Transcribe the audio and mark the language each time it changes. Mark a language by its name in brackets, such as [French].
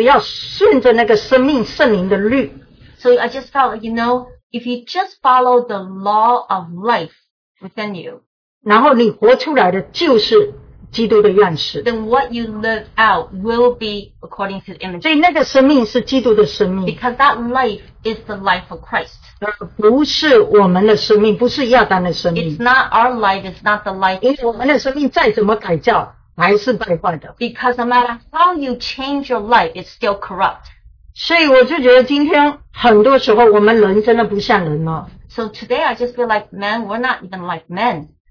[Chinese] 但是我突然，我自己也不是突然间，就是说我觉得就是生命那个律，你只要顺着那个生命圣灵的律。 [English] So I just felt, you know, if you just follow the law of life within you. [Chinese] 然后你活出来的就是基督的样式。 [English] Then what you live out will be according to the image. [Chinese] 所以那个生命是基督的生命。 [English] Because that life is the life of Christ. [Chinese] 不是我们的生命，不是亚当的生命。 [English] It's not our life, it's not the life. [Chinese] 因为我们的生命再怎么改造，还是败坏的。 [English] Because no matter how you change your life, it's still corrupt. [Chinese] 所以我就觉得今天很多时候我们人真的不像人了。 [English] So today I just feel like men, we're not even like men.